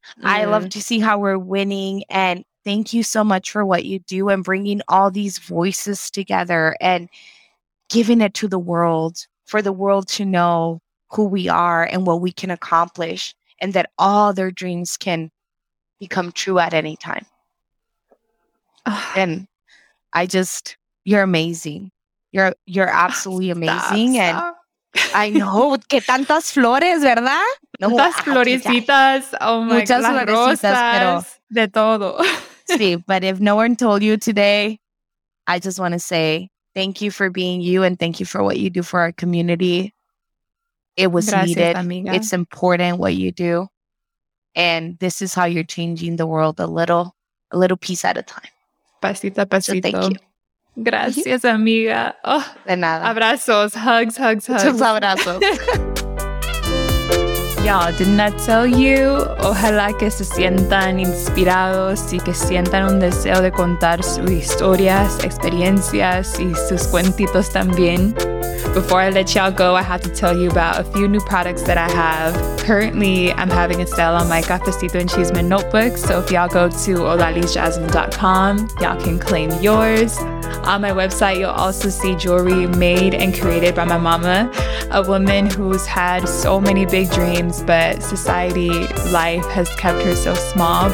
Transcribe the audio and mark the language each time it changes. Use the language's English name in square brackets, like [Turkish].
[English] I love to see how we're winning, and thank you so much for what you do and bringing all these voices together and giving it to the world, for the world to know who we are and what we can accomplish, and that all their dreams can become true at any time. Ugh. And I just, you're amazing. You're absolutely amazing. Stop. And I know. [Spanish] Que tantas flores, ¿verdad? Tantas florecitas. [English] Oh my God. [Spanish] Muchas florecitas, pero de todo. [English] Sí, but if no one told you today, I just want to say thank you for being you and thank you for what you do for our community. It was [Spanish] gracias, [English] needed. [Spanish] Amiga. [English] It's important what you do. And this is how you're changing the world a little piece at a time. [Spanish] Pasito a pasito. [English] So thank you. [Spanish] Gracias, amiga. Oh, de nada. Abrazos, hugs. Muchos abrazos. [English] Y'all, didn't I tell you? [Spanish] Ojalá que se sientan inspirados y que sientan un deseo de contar sus historias, experiencias y sus cuentitos también. [English] Before I let y'all go, I have to tell you about a few new products that I have. Currently, I'm having a sale on my Cafecito and Chisme notebooks, so if y'all go to olalisjasmine.com, y'all can claim yours. On my website, you'll also see jewelry made and created by my mama, a woman who's had so many big dreams, but society, life has kept her so small.